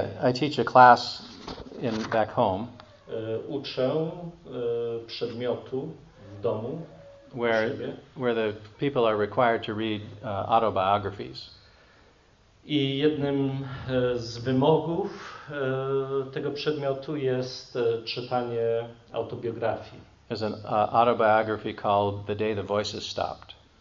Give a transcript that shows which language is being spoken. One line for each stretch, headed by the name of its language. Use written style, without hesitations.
English: I teach a class in back home.
Polish: Uczę przedmiotu w domu,
English: where the people are required to read autobiographies.
Polish: I jednym z wymogów tego przedmiotu jest czytanie autobiografii.
English: There's an autobiography called The Day the Voices Stopped.